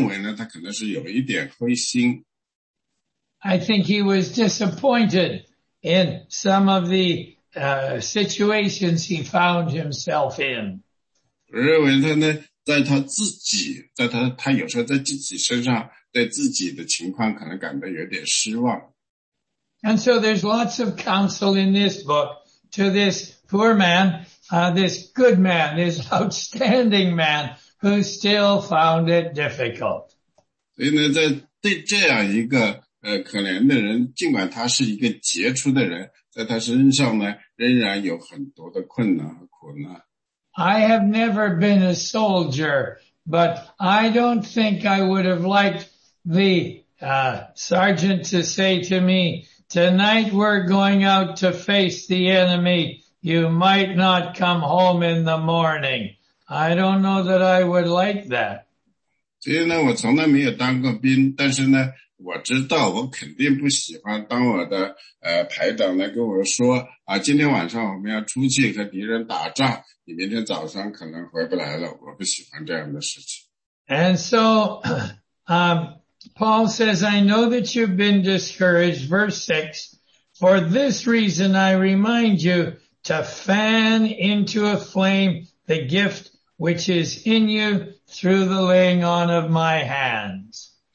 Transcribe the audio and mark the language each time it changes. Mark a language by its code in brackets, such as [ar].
[zh] 所以呢,提摩太呢,他可能在人生中也很多难处,我们不知道到底是什么,我们认为呢,他可能是有一点灰心。 [en] I think he was disappointed in some of the situations he found himself in. [zh] 我认为他呢,在他有时候在自己身上,对自己的情况可能感到有点失望。 [en] And so there's lots of counsel in this book to this poor man, this good man, this outstanding man who still found it difficult. [zh] 所以呢,在这样一个 可怜的人,尽管他是一个杰出的人,在他身上呢,仍然有很多的困难和苦难。 [en] I have never been a soldier, but I don't think I would have liked the sergeant to say to me, Tonight we're going out to face the enemy. You might not come home in the morning. I don't know that I would like that. [zh] 所以呢，我从来没有当过兵，但是呢，我知道我肯定不喜欢当我的排长呢跟我说啊，今天晚上我们要出去和敌人打仗，你明天早上可能回不来了，我不喜欢这样的事情。 [en] And so, Paul says, I know that you've been discouraged, verse 6, for this reason I remind you to fan into a flame the gift which is in you through the laying on of my hands.